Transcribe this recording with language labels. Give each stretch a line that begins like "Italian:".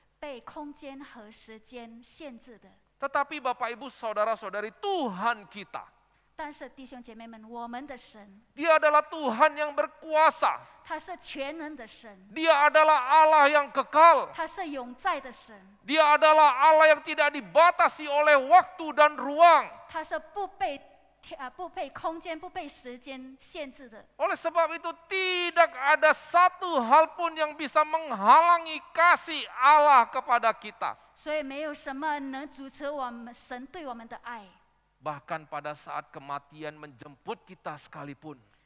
Chinese: 那就是人的爱是被空间和时间限制的。
Indonesian: Tetapi Bapak Ibu Saudara-saudari, Tuhan kita.
Chinese: 但是弟兄姐妹们, 我们的神,
Indonesian: dia adalah Tuhan yang berkuasa.
Chinese: 他是全能的神,
Indonesian: dia adalah Allah yang kekal.
Chinese: 他是永在的神,
Indonesian: dia adalah Allah yang tidak dibatasi oleh waktu dan ruang.
Chinese: 他是不被空间、不被时间限制的。
Indonesian: Oleh sebab itu tidak ada satu hal pun yang bisa menghalangi kasih Allah kepada kita.
Chinese: 所以没有什么能阻止我们神对我们的爱。
Indonesian: Bahkan pada saat kematian menjemput kita sekalipun,